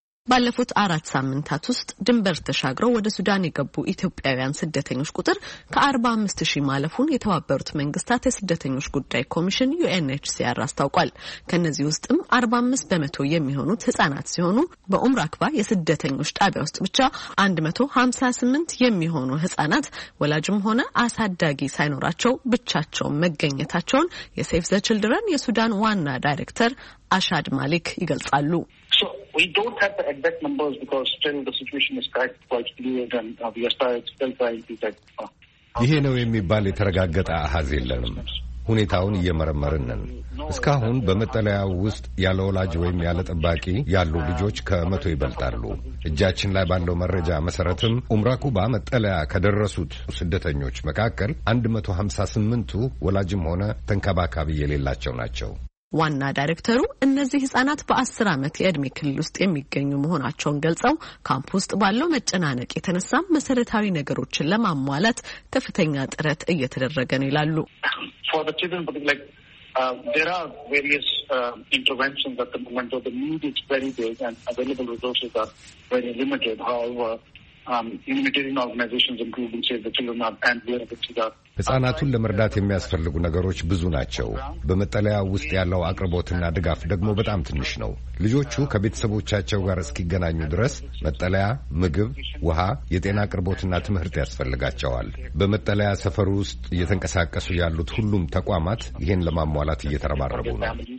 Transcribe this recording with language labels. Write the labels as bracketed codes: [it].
[am] ባለፉት አራት ሳምንታት ውስጥ ድንበር ተሻግረው ወደ ሱዳን የገቡ ኢትዮጵያውያን ስደተኞች ቁጥር ከ45000 ማለፉን የተባበሩት መንግስታት የስደተኞች ጉዳይ ኮሚሽን UNHCR አስታውቋል። ከነዚህ ውስጥም 45% የሚሆኑት ህጻናት ሲሆኑ በኡምራክባ የስደተኞች ጣቢያ ውስጥ ብቻ 158 የሚሆኑ ህጻናት ወላጅም ሆነ አሳዳጊ ሳይኖራቸው ብቻቸው መገኘታቸውን የሴፍ ዘ ቺልድረን የሱዳን ዋና ዳይሬክተር አሻድ ማሊክ ይገልጻሉ። [en] We don't have the exact numbers because still the situation is quite fluid and we are still trying to get [am] ይሄ ነው የሚባል የተረጋጋ አሃዝ የለንም። ሁኔታውን እየመረመርነን እስካሁን በመጠለያው ውስጥ ያለወላጅ ወይም ያለጠባቂ ያሉ ልጆች ከመቶ ይበልጣሉ። እጃችን ላይ ባለው መረጃ መሰረትም ኡምራኩባ መጠለያ ከደረሱት ስደተኞች መካከል 158ቱ ወላጅም ሆነ ተንከባካቢ የሌላቸው ናቸው። ዋና ዳይሬክተሩ እነዚህ ህጻናት በ10 አመት የእድሜ ክልል ውስጥ የሚገኙ መሆናቸውን ገልጸው ካምፕ ውስጥ ባለው መጨናነቅ የተነሳ መሰረታዊ ነገሮችን ለማሟላት ከፍተኛ ጥረት እየተደረገ ነው ይላሉ። [en] There are various interventions at the moment, though the need is very big and available resources are very limited. However, humanitarian organizations including Save the Children and the UNHCR [am] ህጻናቱን ለመርዳት የሚያስፈልጉ ነገሮች ብዙ ናቸው። በመጠለያ ውስጥ ያለው አቅርቦትና ድጋፍ ደግሞ በጣም ትንሽ ነው። ልጆቹ ከቤተሰቦቻቸው ጋር እስኪገናኙ ድረስ መጠለያ፣ ምግብ፣ ውሃ፣ የጤና አቅርቦትና ትምህርት ያስፈልጋቸዋል። በመጠለያ ሰፈሩ ውስጥ እየተንቀሳቀሱ ያሉት ሁሉም ተቋማት ይሄን ለማሟላት እየተረባረቡ ነው።